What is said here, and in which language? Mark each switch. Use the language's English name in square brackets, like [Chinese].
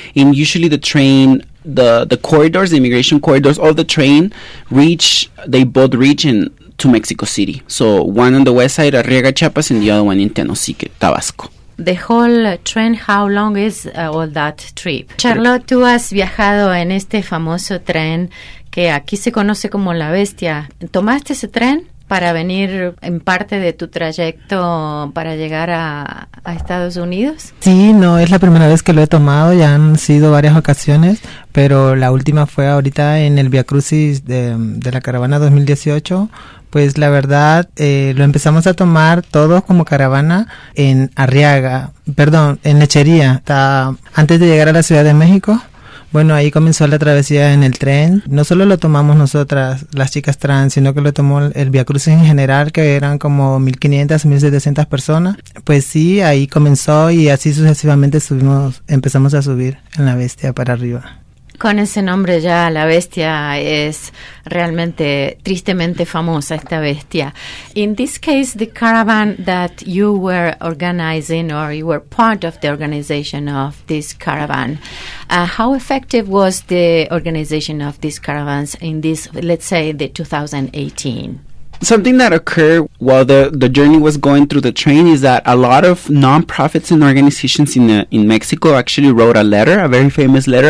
[English] And usually the train, the corridors, the immigration corridors of the train reach, they both reach in to Mexico City. So one on the west side, Arriaga, Chiapas, and the other one in Tenosique, Tabasco. The whole train, how long is all that trip? [Spanish] Charlotte, tú has viajado en este famoso tren que aquí se conoce como la bestia. ¿Tomaste ese tren para venir en parte de tu trayecto para llegar a Estados Unidos? Sí, no, es la primera vez que lo he tomado. Ya han sido varias ocasiones, pero la última fue ahorita en el Via Crucis de la caravana 2018. Pues la verdad, lo empezamos a tomar todos como caravana en Lechería, hasta antes de llegar a la Ciudad de México. Bueno, ahí comenzó la travesía en el tren. No solo lo tomamos nosotras, las chicas trans, sino que lo tomó el Via Crucis en general, que eran como 1.500, 1.700 personas. Pues sí, ahí comenzó y así sucesivamente empezamos a subir en la bestia para arriba. con ese nombre ya la bestia es realmente tristemente famosa, esta bestia. [English] In this case, the caravan that you were organizing, or you were part of the organization of this caravan, how effective was the organization of these caravans in this, let's say, the 2018? Something that occurred while the journey was going through the train is that a lot of nonprofits and organizations in Mexico actually wrote a letter, a very famous letter.